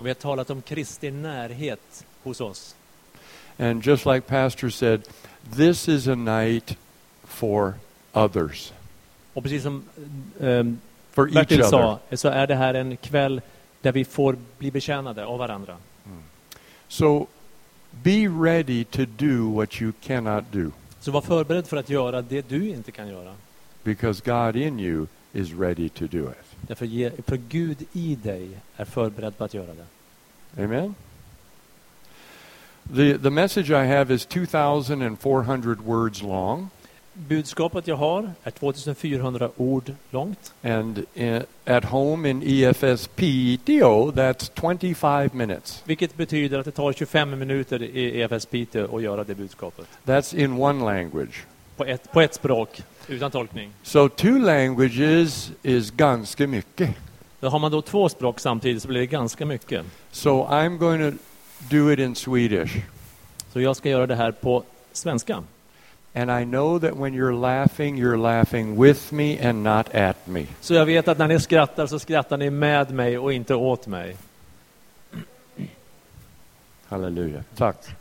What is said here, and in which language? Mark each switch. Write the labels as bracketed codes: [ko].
[sv] Vi har talat om Kristi närhet hos oss. [en] And just like pastor said, this is a night for others. [sv] Och precis som för [en] each other. [sv] Sa, så är det här en kväll där vi får bli betjänade av varandra. Mm. [en] So be ready to do what you cannot do. [sv] Så var förberedd för att göra det du inte kan göra. [en] Because God in you is ready to do it. [sv] Därför för Gud i dig är förberedd på att göra det. [en] Amen. The message I have is 2400 words long. [sv] Budskapet jag har är 2400 ord långt. [en] And at home in EFSPTO that's 25 minutes. [sv] Vilket betyder att det tar 25 minuter i EFSPTO att göra det budskapet. [en] That's in one language. [sv] På ett språk utan tolkning. [en] So two languages is [sv] ganska mycket. Då har man då två språk samtidigt så blir det ganska mycket. [en] So I'm going to do it in Swedish. [sv] Så jag ska göra det här på svenska. [en] And I know that when you're laughing with me and not at me. [sv] Så jag vet att när ni skrattar så skrattar ni med mig och inte åt mig. Halleluja. Tack.